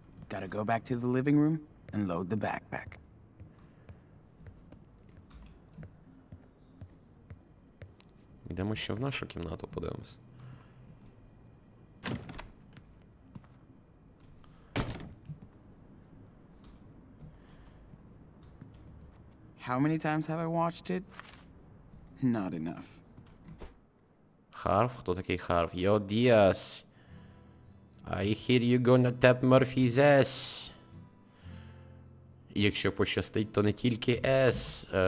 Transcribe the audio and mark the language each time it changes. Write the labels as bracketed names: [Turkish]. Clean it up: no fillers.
[English] Gotta go back to the living room and load the backpack. [Ukrainian] Йдемо ще в нашу кімнату, подивимось. [English] How many times have I watched it? Not enough. [Ukrainian] Харв? Хто такий Харв? Йо, Діас! [English] I hear you gonna tap Murphy's ass! [Ukrainian] Якщо пощастить, то не тільки S.